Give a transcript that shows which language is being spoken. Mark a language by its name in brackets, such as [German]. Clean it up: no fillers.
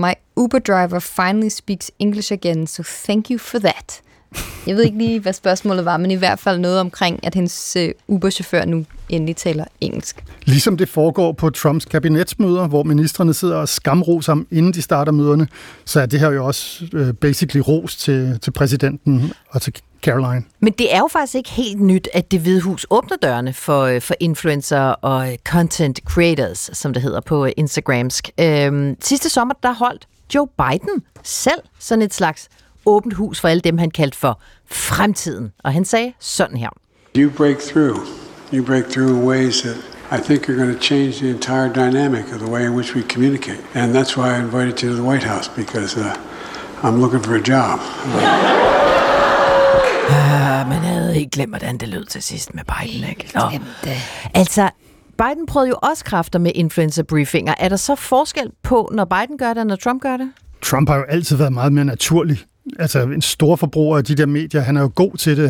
[English] My Uber driver finally speaks English again, so thank you for that. [Danish] Jeg ved ikke lige, hvad spørgsmålet var, men i hvert fald noget omkring, at hendes Uber-chauffør nu endelig taler engelsk. Ligesom det foregår på Trumps kabinetsmøder, hvor ministerne sidder og skamroser ham, inden de starter møderne, så er det her jo også basically ros til præsidenten og til Caroline. Men det er jo faktisk ikke helt nyt, at Det Hvide Hus åbner dørene for influencer og content creators, som det hedder på Instagramsk. Sidste sommer, der holdt Joe Biden selv sådan et slags åbent hus for alle dem, han kaldte for fremtiden. Og han sagde sådan her. [English] You break through. You break through in ways that I think are going to change the entire dynamic of the way in which we communicate. And that's why I invited you to the White House, because I'm looking for a job. [Danish] Man havde helt glemt, hvordan det lød til sidst med Biden, ikke? Helt glemt det. Altså, Biden prøvede jo også kræfter med influencer-briefinger. Er der så forskel på, når Biden gør det, og når Trump gør det? Trump har jo altid været meget mere naturlig. Altså en stor forbruger af de der medier, han er jo god til det.